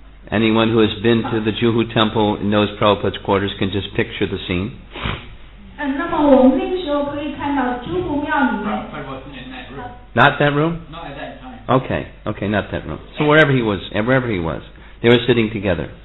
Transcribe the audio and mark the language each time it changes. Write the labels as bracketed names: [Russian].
[English] anyone who has been to the Juhu Temple and knows Prabhupada's quarters can just picture the scene. [Chinese] 那么我们那个时候可以看到朱古庙里面, [English] not that room? Not at that time. Okay, okay, not that room. So wherever he was, they were sitting together.